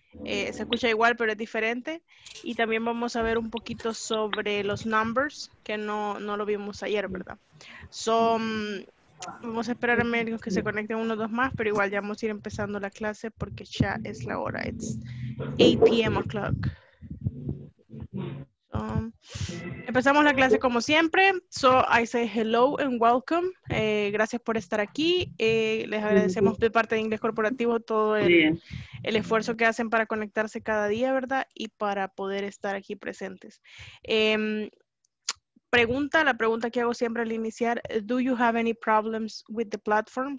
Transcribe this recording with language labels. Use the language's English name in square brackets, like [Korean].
[Spanish] Se escucha igual, pero es diferente. Y también vamos a ver un poquito sobre los numbers, que no lo vimos ayer, ¿verdad? So, vamos a esperar a medios que se conecten uno o dos más, pero igual ya vamos a ir empezando la clase porque ya es la hora. [English] It's 8 p.m. o'clock. [Spanish] So, empezamos la clase como siempre. [English] So, I say hello and welcome. [Spanish] Gracias por estar aquí. Les agradecemos de parte de Inglés Corporativo todo el esfuerzo que hacen para conectarse cada día, ¿verdad? Y para poder estar aquí presentes. La pregunta que hago siempre al iniciar, [English] do you have any problems with the platform?